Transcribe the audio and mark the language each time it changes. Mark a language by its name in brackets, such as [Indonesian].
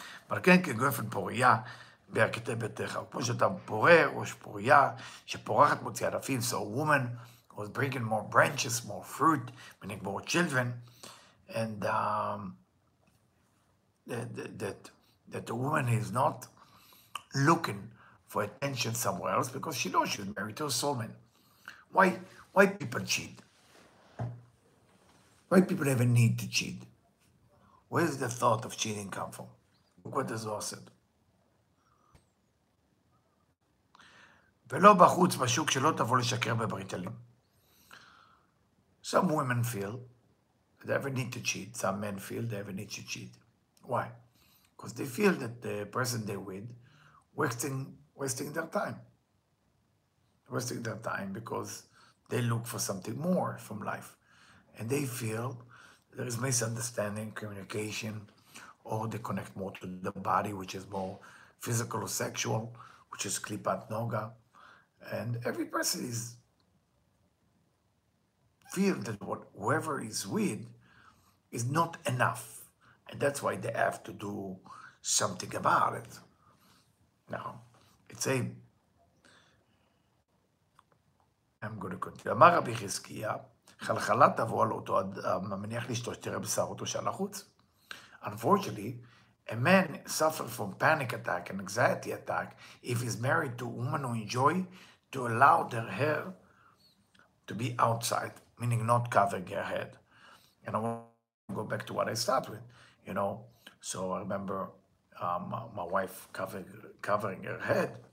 [English] But again, the [Hebrew] Geffen poriyah, בהרקטי ביתך, כמו שאתה פורר או שפוריה, שפורחת מוציאה דפים, [English] so a woman was bringing more branches, more fruit, meaning more children, and that the woman is not looking for attention somewhere else because she knows she's married to a soul man. Why people cheat? Why people have a need to cheat? Where does the thought of cheating come from? Look what the Zohar said. [Hebrew] ולא בחוץ בשוק שלא תבוא לשקר בברית אלים. [English] Some women feel they have a need to cheat. Some men feel they have a need to cheat. Why? Because they feel that the person they're with wasting their time because they look for something more from life. And they feel there is misunderstanding, communication, or they connect more to the body, which is more physical or sexual, which is klipat noga. And every person is feel that what whoever is with is not enough. And that's why they have to do something about it. Now, it's a... I'm going to continue. [Hebrew] אמר רבי חזקיה, חלחלה תבוא על אותו אדם, המניח לשתו שתראה בשר אותו שעל החוץ. [English] Unfortunately, a man suffers from panic attack and anxiety attack if he's married to a woman who enjoy to allow their hair to be outside, meaning not covering her head. And I want to go back to what I started with, you know. So I remember my wife covering her head.